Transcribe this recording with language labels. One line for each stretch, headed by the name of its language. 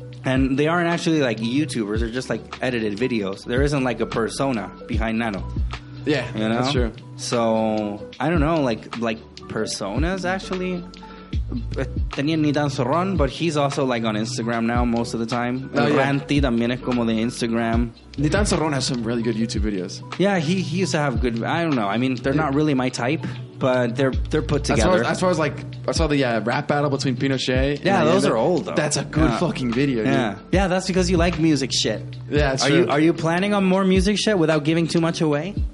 English: And they aren't actually like YouTubers, they're just like edited videos. There isn't like a persona behind Nano. Yeah, you know? That's true. So, I don't know, like personas actually.
Spanish: Tenían
English: Nidan Zorron, but he's also like on Instagram now most of the time.
Spanish: Ranty también es como de Instagram.
English: Nidan Zorron has some really good YouTube videos. Yeah, he used to have good. I don't know. I mean, they're not really my type, but they're put together. I saw the rap battle between Pinochet. Yeah, those are old though. That's a good fucking video. Yeah, dude. Yeah, that's because you like music shit. Yeah, that's true. Are you planning on more music shit without giving too much away?